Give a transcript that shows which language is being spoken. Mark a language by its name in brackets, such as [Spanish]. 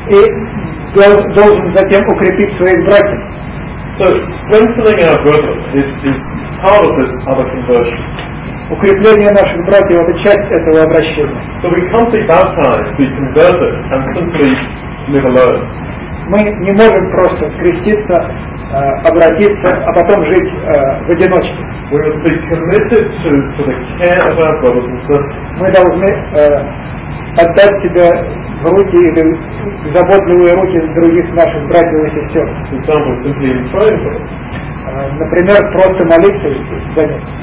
[Russian] И должен затем укрепить своих братьев. [English] So strengthening our brother is part of this other conversion. [Russian] Укрепление наших братьев — это часть этого обращения. [English] So we can't be baptized, be converted and simply live alone. [Russian] Мы не можем просто креститься, обратиться, а потом жить в одиночке. [English] We must be committed to the care of our brothers and sisters. [Russian] Мы должны отдать себя в руки или в заботливые руки других наших братьев и сестер. [English] For example, simply in prayer for them. [Russian] Например, просто молиться за них.